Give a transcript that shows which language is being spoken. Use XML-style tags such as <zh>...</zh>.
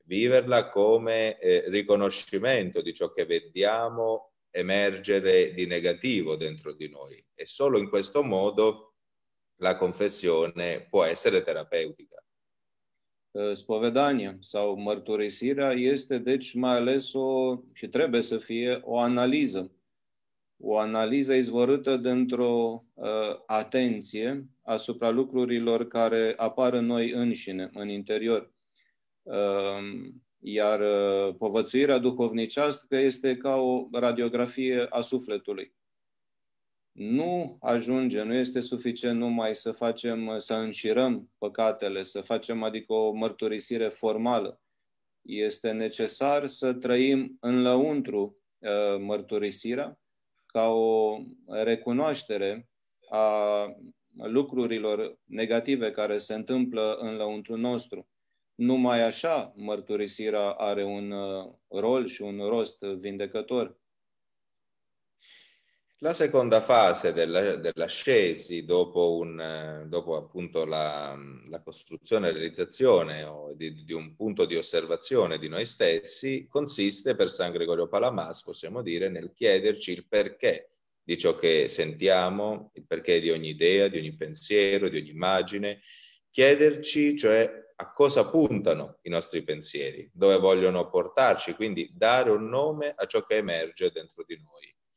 <it>viverla come riconoscimento di ciò che vediamo emergere di negativo dentro di noi. E solo in questo modo la confessione può essere terapeutica.</it> <ro>Spovedania sau mărturisirea este deci mai ales o, și trebuie să fie o analiză. O analiză izvorâtă dintr-o atenție asupra lucrurilor care apar în noi înșine, în interior. Iar povățuirea duhovnicească este ca o radiografie a sufletului. Nu ajunge, nu este suficient numai să facem, să înșirăm păcatele, să facem adică o mărturisire formală. Este necesar să trăim în lăuntru mărturisirea ca o recunoaștere a lucrurilor negative care se întâmplă în lăuntru nostru. Numai așa mărturisirea are un rol și un rost vindecător.</ro> <it>La seconda fase della, dell'ascesi, dopo, un, dopo appunto la, la costruzione e realizzazione di un punto di osservazione di noi stessi, consiste per San Gregorio Palamas, possiamo dire, nel chiederci il perché di ciò che sentiamo, il perché di ogni idea, di ogni pensiero, di ogni immagine, chiederci cioè a cosa puntano i nostri pensieri, dove vogliono portarci, quindi dare un nome a ciò che emerge dentro di noi.</it>